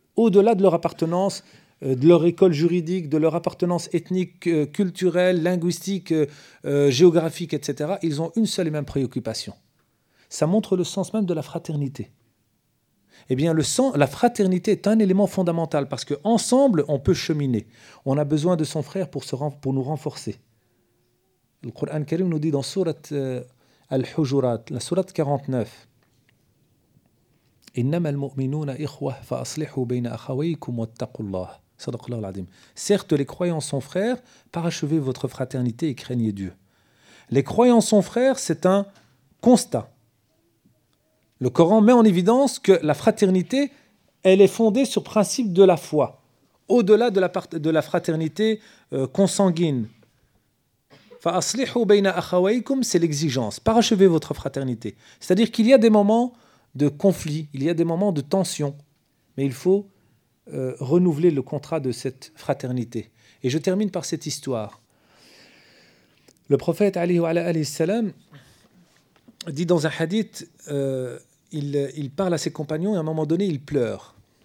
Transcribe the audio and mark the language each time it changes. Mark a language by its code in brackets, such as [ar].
[fr] Au-delà de leur appartenance, de leur école juridique, de leur appartenance ethnique, culturelle, linguistique, géographique, etc., ils ont une seule et même préoccupation. Ça montre le sens même de la fraternité. Eh bien, la fraternité est un élément fondamental parce qu'ensemble, on peut cheminer. On a besoin de son frère pour nous renforcer. Le Coran Karim nous dit dans Surat Al-Hujurat, la Surat 49, [ar] إنما المؤمنون إخوة فأصلحوا بين أخويكم واتقوا الله صدق الله العظيم. [fr] Certes, les croyants sont frères, parachevez votre fraternité et craignez Dieu. Les croyants sont frères, c'est un constat. Le Coran met en évidence que la fraternité, elle est fondée sur principe de la foi, au-delà de la fraternité consanguine. [ar] فأصلحوا بين أخويكم, [fr] c'est l'exigence. Parachevez votre fraternité. C'est-à-dire qu'il y a des moments de conflit, il y a des moments de tension, mais il faut renouveler le contrat de cette fraternité. Et je termine par cette histoire. Le prophète alayhi salam dit dans un hadith, il parle à ses compagnons et à un moment donné il pleure.